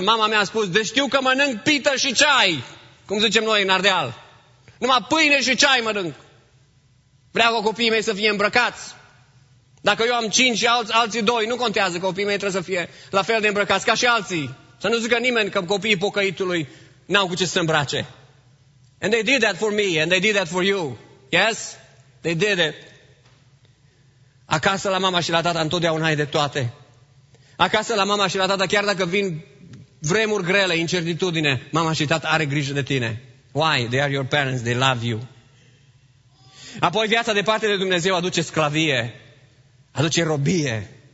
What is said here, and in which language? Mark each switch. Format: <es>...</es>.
<ro>Mama mea a spus, deci știu că mănânc pită și ceai. Cum zicem noi în Ardeal. Numai pâine și ceai mănânc. Vreau ca copiii mei să fie îmbrăcați. Dacă eu am 5 și alții 2, nu contează, copiii mei trebuie să fie la fel de îmbrăcați ca și alții. Să nu zică nimeni că copiii pocăitului n-au cu ce să se îmbrace.</ro> <en>And they did that for me, and they did that for you. Yes? They did it.</en> <ro>Acasă la mama și la tata întotdeauna ai de toate. Acasă la mama și la tata, chiar dacă vin vremuri grele, incertitudine, mama și tata are grijă de tine.</ro> <en>Why? They are your parents, they love you.</en> <ro>Apoi viața departe de Dumnezeu aduce sclavie, aduce robie.</ro>